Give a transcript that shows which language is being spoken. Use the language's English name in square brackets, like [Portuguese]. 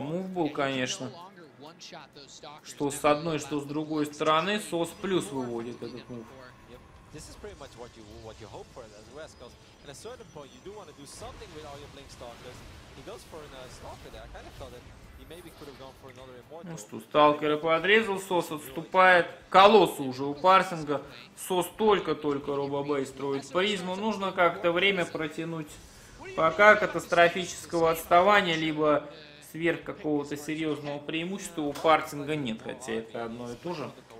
[Russian] Мув был, конечно. Что с одной, что с другой стороны, СОС плюс выводит этот мув. [English] This is pretty much what you hope for as well, because at a certain point you do want to do something with all your Blink Stalkers. He goes for a Stalker there. I kind of thought that he maybe could have gone for another Immortal. [Russian] Ну что, Сталкера подрезал, СОС отступает. Колосс уже у Парсинга. СОС только-только робобей строит. Призму нужно как-то время протянуть. Пока катастрофического отставания, либо сверх какого-то серьезного преимущества у Партинга нет, хотя это одно и то же.